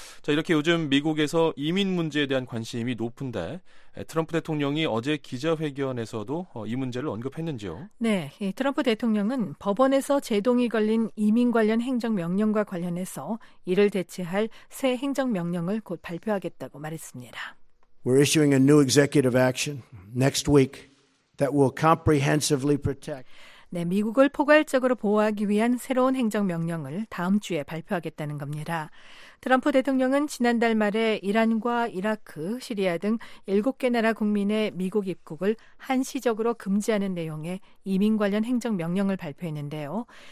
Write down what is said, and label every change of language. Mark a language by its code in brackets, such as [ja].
[ko] 자 이렇게 요즘 미국에서 이민 문제에 대한 관심이 높은데 트럼프 대통령이 어제 기자회견에서도 이 문제를 언급했는지요? 네, 트럼프 대통령은 법원에서 제동이 걸린 이민 관련 행정명령과 관련해서 이를 대체할 새 행정명령을 곧 발표하겠다고 말했습니다. [en] We're issuing a new executive action next week that will comprehensively protect. [ko] 네, 미국을 포괄적으로 보호하기 위한 새로운 행정명령을 다음 주에 발표하겠다는 겁니다. 트럼프 대통령은 지난달 말에 이란과 이라크, 시리아 등 7개 나라 국민의 미국 입국을 한시적으로 금지하는 내용의 이민 관련 행정명령을 발표했는데요.